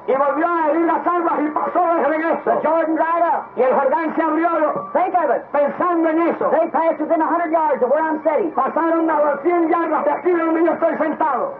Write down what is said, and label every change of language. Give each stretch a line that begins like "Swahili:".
Spanish: Y volvió a herir las aguas y pasó de regreso.
English: The Jordan dried up.
Spanish: Y el Jordán se abrió.
English: Think of it.
Spanish: Pensando en eso.
English: They passed within 100 yards of where I'm sitting.
Spanish: Pasaron a los 100 yardas de aquí donde yo estoy sentado.